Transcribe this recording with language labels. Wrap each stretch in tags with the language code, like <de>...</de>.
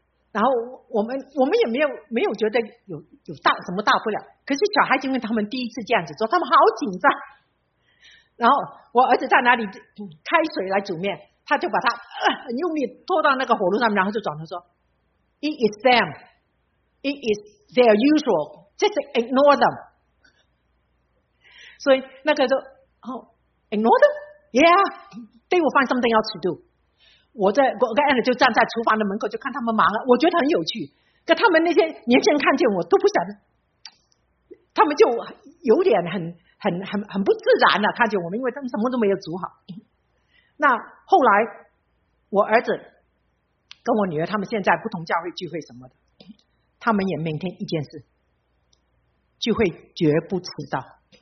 <zh>然后我们也没有觉得有大什么大不了，可是小孩因为他们第一次这样子做，他们好紧张。然后我儿子在哪里开水来煮面，他就把他很用力拖到那个火炉上面，然后就转头说 ：</zh> <en>“It is them, it is their usual, just ignore them。”</en> <zh>所以那个就哦</zh> <en>ignore them, yeah, they will find something else to do。</en> <zh>我跟 Anna 就站在厨房的门口，就看他们忙了。我觉得很有趣，可他们那些年轻人看见我都不想，他们就有点很不自然的看见我们，因为他们什么都没有煮好。那后来我儿子跟我女儿他们现在不同教会聚会什么的，他们也maintain一件事，聚会绝不迟到。</zh>